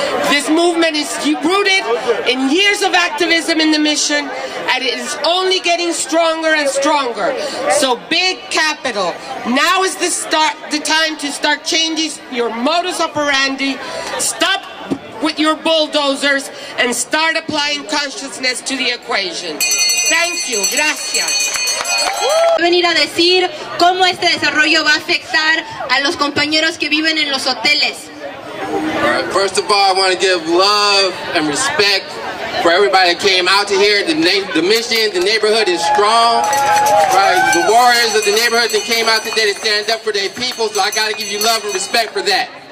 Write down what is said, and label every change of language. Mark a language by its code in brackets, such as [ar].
[en] This movement is rooted in years of activism in the mission, and it is only getting stronger and stronger. So big capital, now is the time to start changing your modus operandi, stop with your bulldozers, and start applying consciousness to the equation. Thank you. [es] Gracias. Voy a venir a decir cómo este desarrollo va a afectar a los compañeros que viven en los hoteles. [en] First of all, I want to give love and respect for everybody that came out to here. The mission, the neighborhood is strong. Right? The warriors of the neighborhood that came out today to stand up for their people, so I got to give you love and respect for that.